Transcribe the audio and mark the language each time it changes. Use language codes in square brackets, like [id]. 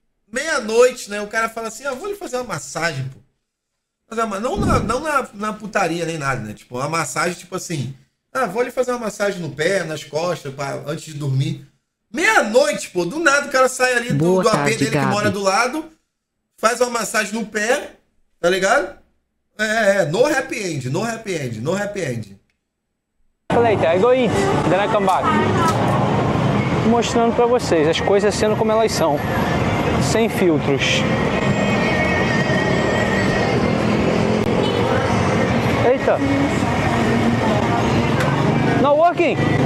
[pt] Meia-noite, né? O cara fala assim, vou lhe fazer uma massagem, pô. Não na putaria nem nada, né? Tipo, uma massagem, tipo assim... Ah, vou ali fazer uma massagem no pé, nas costas, antes de dormir. Meia-noite, pô, do nada o cara sai ali do AP dele, Gabi, que mora do lado, faz uma massagem no pé, tá ligado? [en] No happy end. Later, I go eat, then I come back. [pt] Mostrando pra vocês as coisas sendo como elas são. Sem filtros. Eita. [en] Not working.